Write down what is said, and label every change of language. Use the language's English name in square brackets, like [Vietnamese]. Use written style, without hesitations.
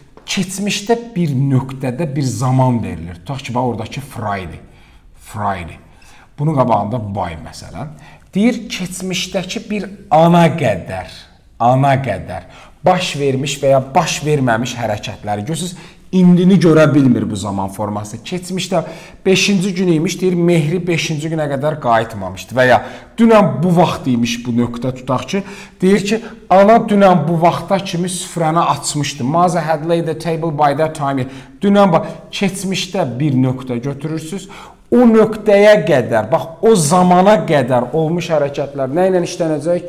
[Azerbaijani] Keçmişdə bir nöqtədə bir zaman verilir. Tutaq ki, bax, oradakı Friday. Friday. Bunun qabağında by, məsələn. Deyir, keçmişdəki bir ana qədər. Ana qədər. Baş vermiş və ya baş verməmiş hərəkətləri. Görsünüz, indini görə bilmir bu zaman forması. Keçmişdə 5-ci gün imiş, deyir, Mehri 5-ci günə qədər qayıtmamışdı. Və ya, dünən bu vaxt imiş bu nöqtə tutaq ki, deyir ki, ana dünən bu vaxta kimi süfrəni açmışdı. [English] Mother had laid the table by that time. [Azerbaijani] Dünən bax, keçmişdə bir nöqtə götürürsünüz. O nöqtəyə qədər, bax, o zamana qədər olmuş hərəkətlər nə ilə işlənəcək?